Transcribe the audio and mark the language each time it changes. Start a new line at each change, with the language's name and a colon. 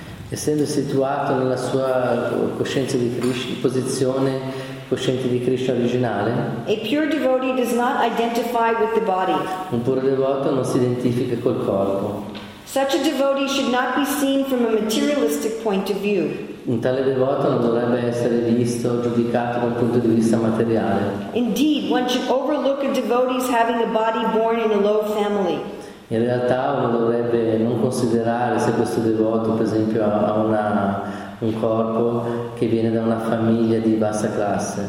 Italian: Essendo situato nella sua coscienza di Krishna, posizione cosciente di Krishna originale.
English: A pure devotee does not identify with the body.
Italian: Un puro devoto non si identifica col corpo.
English: Such a devotee should not be seen from a materialistic point of view.
Italian: Un tale devoto non dovrebbe essere visto, giudicato dal punto di vista materiale.
English: Indeed, one should overlook a devotee's having a body born in a low family.
Italian: In realtà uno dovrebbe non considerare se questo devoto, per esempio, ha un corpo che viene da una famiglia di bassa classe.